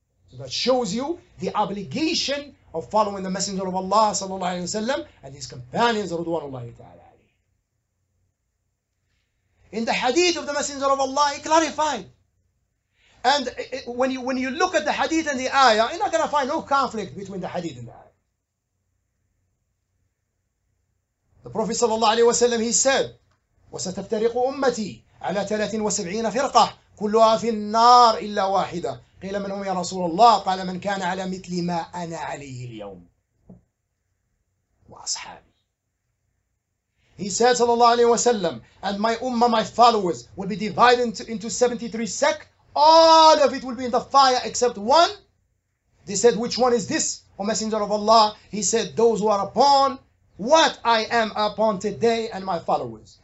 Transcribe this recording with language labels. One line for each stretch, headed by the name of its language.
English: So that shows you the obligation of following the Messenger of Allah sallallahu alayhi wa sallam and his companions radwanullahi ta'ala alayhi. In the hadith of the Messenger of Allah, he clarified. And when you look at the hadith and the ayah, you're not going to find no conflict between the hadith and the ayah. The Prophet sallallahu alayhi wa sallam, he said,
Arabic: وَسَتَفْتَرِقُ أُمَّتِي عَلَى 73 فِرْقَةٍ كُلُّهَا فِي النَّارِ إِلَّا وَاحِدَةٍ قِيلَ مَنْ هُمْ يَا رَسُولَ اللَّهِ قَالَ مَنْ كَانَ عَلَى مِثْلِ مَا أَنَا عَلَيْهِ الْيَوْمِ وَأَصْحَابِي.
English: He said sallallahu alayhi wa sallam, and my ummah, my followers, will be divided into 73 sects. All of it will be in the fire except one. They said, which one is this, O Messenger of Allah? He said, those who are upon what I am upon today and my followers.